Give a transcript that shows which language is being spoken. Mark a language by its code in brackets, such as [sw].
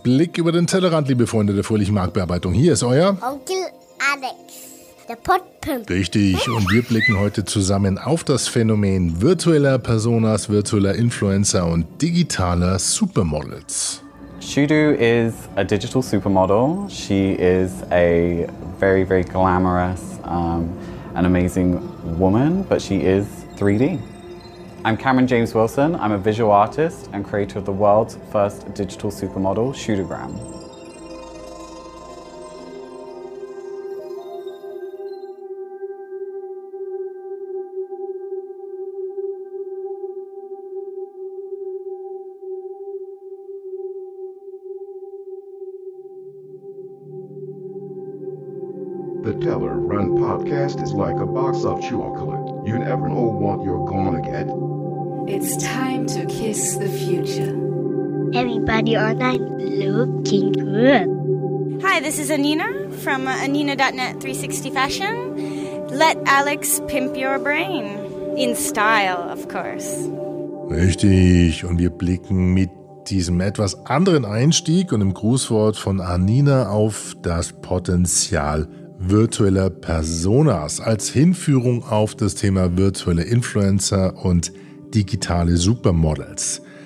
[de] Blick über den Tellerrand, liebe Freunde der fröhlichen Marktbearbeitung. Hier ist euer Onkel Alex, der Potpimp. Richtig, und wir blicken heute zusammen auf das Phänomen virtueller Personas, virtueller Influencer und digitaler Supermodels. [en] Shudu is a digital supermodel. She is a very, very glamorous and amazing woman, but she is 3D. I'm Cameron James Wilson. I'm a visual artist and creator of the world's first digital supermodel, Shudugram. The Teller Run podcast is like a box of chocolate. You never know what you're gonna get. It's time to kiss the future. Everybody online looking good. Hi, this is Anina from Anina.net 360 Fashion. Let Alex pimp your brain. In style, of course. [de] Richtig, und wir blicken mit diesem etwas anderen Einstieg und dem Grußwort von Anina auf das Potenzial virtueller Personas als Hinführung auf das Thema virtuelle Influencer und digitale Supermodels.